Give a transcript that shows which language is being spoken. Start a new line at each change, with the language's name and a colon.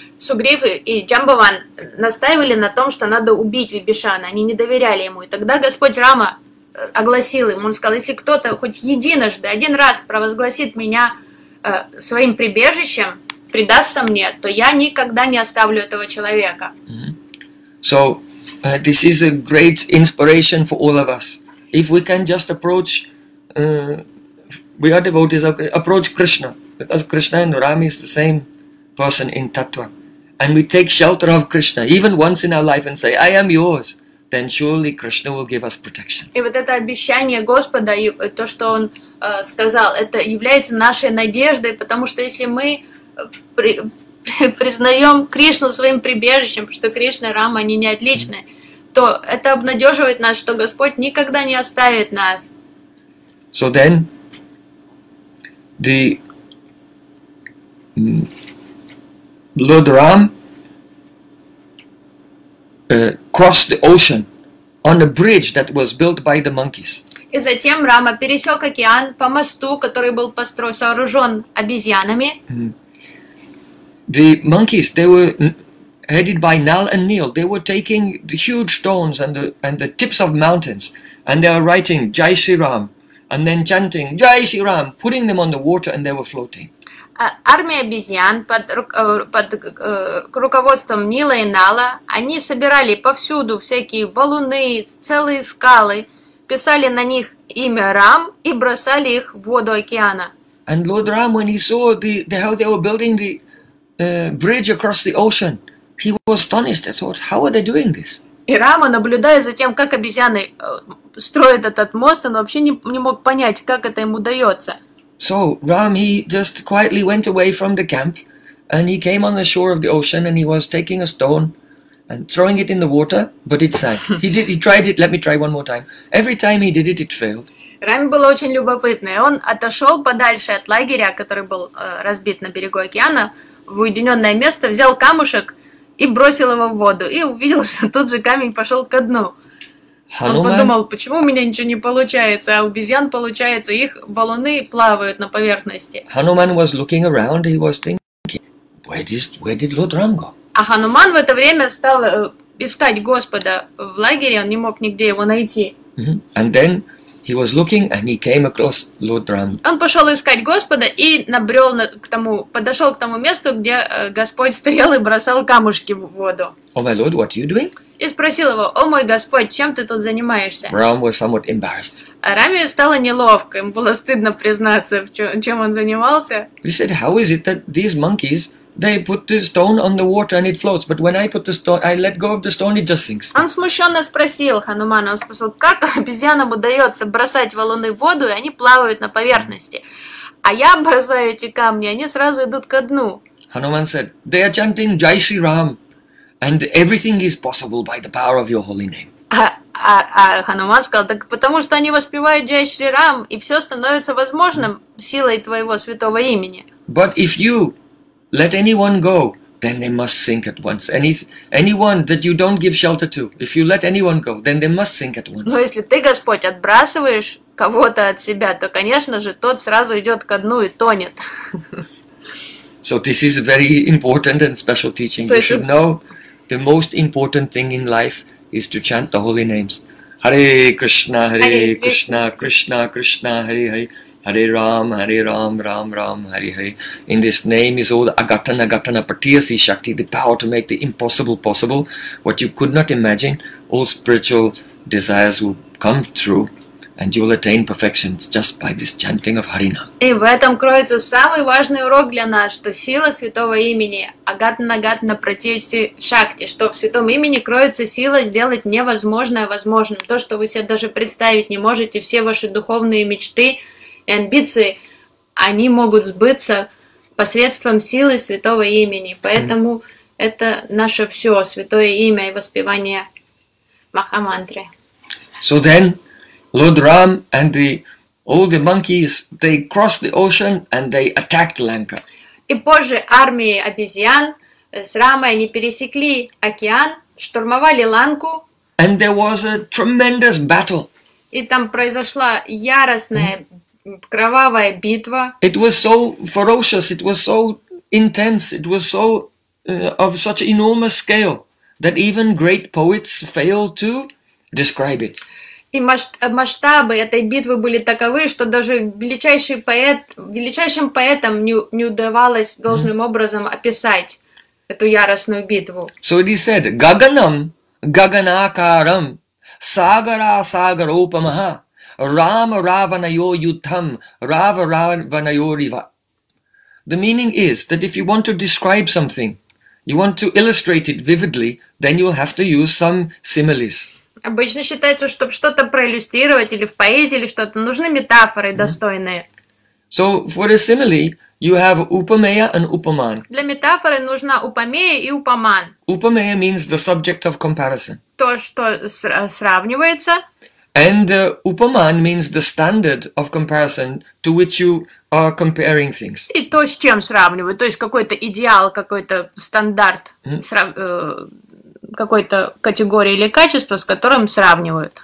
Russian: Сугрив и Джамбаван настаивали на том, что надо убить Вибишана. Они не доверяли ему. И тогда Господь Рама огласил им. Он сказал, если кто-то хоть единожды, один раз провозгласит меня своим прибежищем, предастся мне, то я никогда не оставлю этого человека.
English: So, this is a great inspiration for all of us. If we can just approach... We are devotees, approach Krishna, because Krishna and Rama is the same person in Tattva. And we take shelter of Krishna, even once in our life, and say, "I am yours," then surely Krishna will give us protection.
Russian: И вот это обещание Господа, и то, что Он сказал, это является нашей надеждой, потому что если мы признаем Кришну своим прибежищем, что Кришна и Рама, они не отличны, то это обнадеживает нас, что Господь никогда не оставит нас.
English: So then, the Lord Ram crossed the ocean on a bridge that was built by the monkeys.
Russian: И затем Рама пересек океан по мосту, который был построен, сооружен обезьянами.
English: The monkeys, they were headed by Nal and Neil. They were taking the huge stones and the tips of mountains, and they were writing Jai Shri Ram. And then chanting Jai Shri Ram, putting them on the water, and they were floating.
Russian: Армия обезьян под руководством Нила и Нала, они собирали повсюду всякие валуны, целые скалы, писали на них имя Рам и бросали их в воду океана.
English: And Lord Ram, when he saw the how they were building the bridge across the ocean, he was astonished. I thought, how are they doing this?
Russian: И Рама, наблюдая за тем, как обезьяны строит этот мост, он вообще не мог понять, как это ему удается.
English: So Ram, he just quietly went away from the camp, and he came on the shore of the ocean, and he was taking a stone and throwing it in the water, but it sank. He tried it. Let me try one more time. Every time he did it, it failed.
Russian: Рам был очень любопытный. Он отошел подальше от лагеря, который был разбит на берегу океана, в уединенное место, взял камушек и бросил его в воду, и увидел, что тот же камень пошел ко дну.
English: Hanuman,
Russian: он подумал, почему у меня ничего не получается, а у обезьян получается, их валуны плавают на поверхности.
English: Hanuman was looking around, he was thinking, where did Lord Ram go?
Russian: А Хануман в это время стал искать Господа в лагере, он не мог нигде его найти.
English: And then He was looking and he came across Lord Rama.
Russian: Он пошёл искать Господа и набрёл на, к тому, подошёл к тому месту, где Господь стоял и бросал камушки в воду.
English: Oh my Lord, what are you doing?
Russian: И спросил его: "О мой Господь, чем ты тут занимаешься?"
English: Ram was somewhat embarrassed.
Russian: А Раме стало неловко, ему было стыдно признаться, чем он занимался.
English: He said, "How is it that these monkeys they put the stone on the water and it floats, but when I put the stone, I let go of the stone, it just sinks."
Russian: Он смущенно спросил Ханумана, он спросил, как обезьянам удается бросать валуны в воду, и они плавают на поверхности. А я бросаю эти камни, они сразу идут ко дну.
English: Hanuman said, "They are chanting Jai Shri Ram, and everything is possible by the power of your holy name."
Russian: Ханумана сказал, так потому что они воспевают Джай Шри Рам, и все становится возможным силой твоего святого имени.
English: But if you let anyone go, then they must sink at once. Anyone that you don't give shelter to, if you let anyone go, then they must sink at once.
Russian: Но если ты, Господь, отбрасываешь кого-то от себя, то, конечно же, тот сразу идет ко дну и тонет.
English: So this is a very important and special teaching. You should know the most important thing in life is to chant the holy names.
Sanskrit: Hare Krishna, Krishna, Krishna, Hare Hare. Hare Ram, Ram Ram, Hare Hare.
English: In this name is all the
Sanskrit: Agatana, Agatana, Patiasi Shakti,
English: the power to make the impossible possible. What you could not imagine, all spiritual desires will come through and you will attain perfection just by this chanting of Harina.
Russian: И в этом кроется самый важный урок для нас, что сила святого имени,
Sanskrit: Агатана, Агатана, Патиасе Шакти,
Russian: что в святом имени кроется сила сделать невозможное возможным. То, что вы себе даже представить не можете, все ваши духовные мечты и амбиции, они могут сбыться посредством силы святого имени. Поэтому это наше все, святое имя и воспевание Махамантры.
English: So then, Lord Ram and the, all the monkeys, they crossed the ocean and they attacked Lanka.
Russian: И позже армии обезьян с Рамой они пересекли океан, штурмовали Ланку.
English: And there was a tremendous battle.
Russian: И там произошла яростная кровавая битва.
English: It was so ferocious, it was so intense, it was so of such enormous scale that even great poets fail to describe it.
Russian: И масштабы этой битвы были таковы, что даже величайшим поэтам не удавалось должным образом описать эту яростную битву.
English: So it is said,
Sanskrit: Gaganam Gaganakaram Sagara Sagaropamaha Rama Ravanayo Yutham Rava Ravanayoriva.
English: The meaning is that if you want to describe something, you want to illustrate it vividly, then you'll have to use some similes.
Russian: Обычно считается, чтобы что-то проиллюстрировать или в поэзии или что-то, нужны метафоры достойные.
English: So for a simile, you have upameya and upaman.
Russian: Для метафоры нужна упомея и упоман.
English: Upameya means the subject of comparison.
Russian: То, что сравнивается.
English: And upaman means the standard of comparison to which you are comparing things.
Russian: И то, с чем сравнивают, то есть какой-то идеал, какой-то стандарт, какой-то категория или качество, с которым сравнивают.